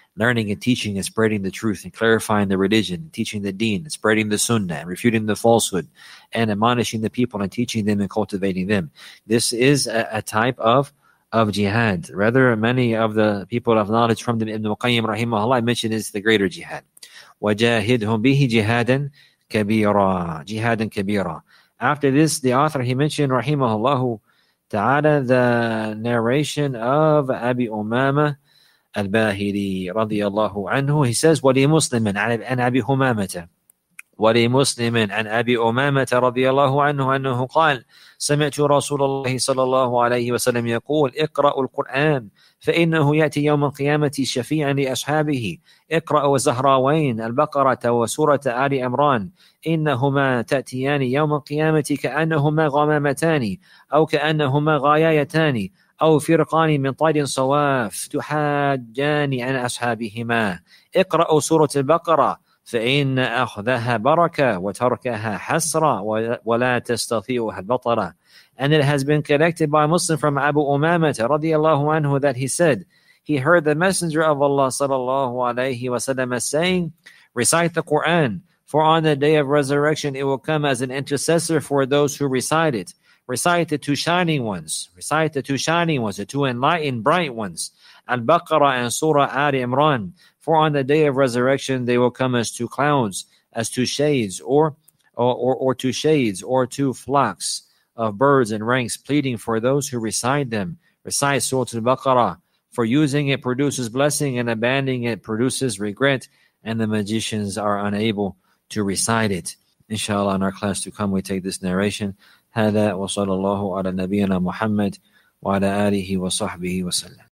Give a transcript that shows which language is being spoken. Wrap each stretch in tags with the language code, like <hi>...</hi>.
<en>learning and teaching and spreading the truth and clarifying the religion, teaching the deen, spreading the sunnah, refuting the falsehood, and admonishing the people and teaching them and cultivating them. This is a type of jihad. Rather, many of the people of knowledge from the Ibn Qayyim rahimahullah mentioned is the greater jihad.</en> <ar>وَجَاهِدْهُمْ بِهِ جِهَادًا كَبِيرًا جِهَادًا كَبِيرًا.</ar> <en>After this, the author, he mentioned, rahimahullah ta'ala, the narration of Abi Umama al-Bahili radiyallahu anhu. He says,</en> <ar>وَلِمُسْلِمٍ عَنْ أَبِي أُمَامَةَ وَلِمُسْلِمٍ عَنْ أَبِي أُمَامَةَ رَضِيَ عَنْهُ أَنَّهُ قَالَ سَمِعْتُ رَسُولَ اللَّهِ صَلَى اللَّهُ عَلَيْهِ وَسَلَّمْ يَقُولُ اِقْرَأُوا الْقُرْآنِ فإنه يأتي يوم القيامة شفيعا لأصحابه. اقرأ الزهراوين البقرة وسورة آل عمران إنهما تأتيان يوم القيامة كأنهما غمامتان أو كأنهما غايتان أو فرقان من طير صواف تحاجان عن أصحابهما. اقرأ سورة البقرة فإن أخذها بركة وتركها حسرة ولا تستطيعها البطرة.</ar> <en>And it has been connected by Muslim from Abu Umamah radiallahu anhu that he said, he heard the Messenger of Allah sallallahu alayhi wa sallam saying, recite the Quran, for on the day of resurrection it will come as an intercessor for those who recite it. Recite the two shining ones, recite the two shining ones, the two enlightened bright ones, Al-Baqarah and Surah Ali Imran, for on the day of resurrection they will come as two clouds, as two shades, or two shades, or two flocks of birds and ranks pleading for those who recite them. Recite Surah Al-Baqarah, for using it produces blessing and abandoning it produces regret, and the magicians are unable to recite it. Inshallah, in our class to come we take this narration.</en> <ar>هذا وصلى الله على نبينا محمد وعلى آله وصحبه وسلم.</ar>